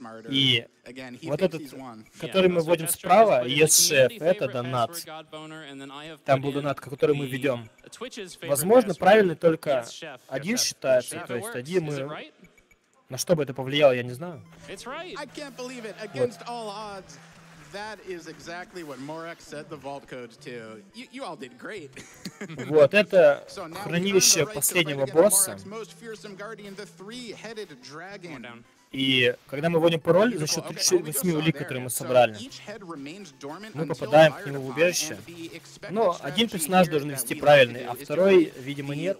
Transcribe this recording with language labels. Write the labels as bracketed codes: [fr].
[ru] И вот этот, который мы вводим справа, ESCHEF, это донат. Там был донат, который мы ведем. Возможно, правильный только один считается, то есть один мы... На что бы это повлияло, я не знаю. Вот. [en] That is exactly what Morak set the vault code to. You all did great. [ru] Вот это хранилище последнего босса. [en] Most fearsome guardian, the three-headed dragon. [ru] И когда мы вводим пароль за счет 8 улик, которые мы собрали, мы попадаем к нему в убежище. Но один персонаж должен вести правильный, а второй, видимо, нет.